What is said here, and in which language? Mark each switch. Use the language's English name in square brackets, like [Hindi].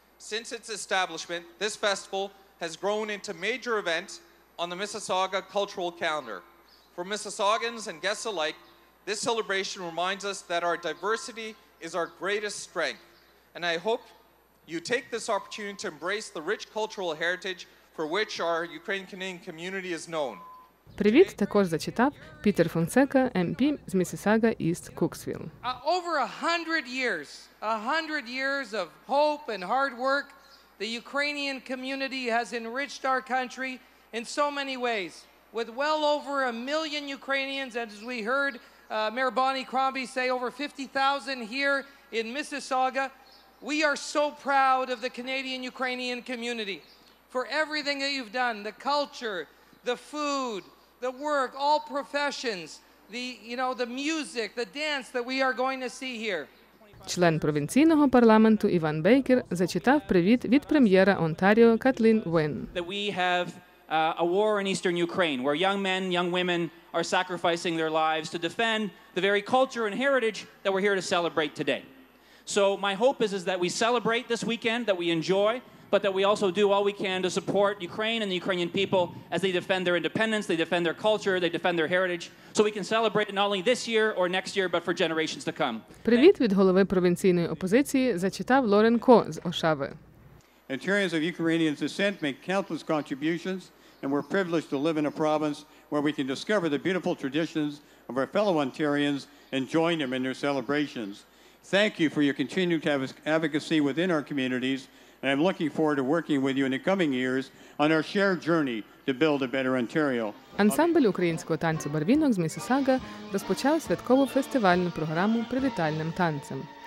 [English] Since its establishment, this festival has grown into a major event on the Mississauga cultural calendar. For Mississaugans and guests alike, this celebration reminds us that our diversity is our greatest strength. And I hope you take this opportunity to embrace the rich cultural heritage for which our Ukrainian-Canadian community is known." [Ukrainian] Привіт також зачитав Пітер Фонсека, MP з Міссісага Іст Куксвіл. [English] Over 100 years, 100 years of hope and hard work, the Ukrainian community has enriched our country in so many ways. With well over a million Ukrainians, as we heard Mayor Bonnie Crombie say, over 50,000 here in Mississauga, we are so proud of the Canadian-Ukrainian community. For everything that you've done, the culture, the food, the work, all professions, the music, the dance that we are going to see here. [Ukrainian] Член провінційного парламенту Іван Бейкер зачитав привіт від прем'єра Онтаріо Катлін Уин. [English] That we have a war in eastern Ukraine where young men, young women are sacrificing their lives to defend the very culture and heritage that we're here to celebrate today. So my hope is that we celebrate this weekend, that we enjoy, but that we also do all we can to support Ukraine and the Ukrainian people as they defend their independence, they defend their culture, they defend their heritage, so we can celebrate not only this year or next year, but for generations to come. [Ukrainian] Привіт від голови провінційної опозиції зачитав Лорен Ко з Ошави. [English] Ontarians of Ukrainian descent make countless contributions, and we're privileged to live in a province where we can discover the beautiful traditions of our fellow Ontarians and join them in their celebrations. Thank you for your continued advocacy within our communities, and I'm looking forward to working with you in the coming years on our shared journey to build a better Ontario. [Ukrainian] Ансамбль українського танцю «Барвінок» з Міссісага розпочав святкову фестивальну програму привітальним танцем.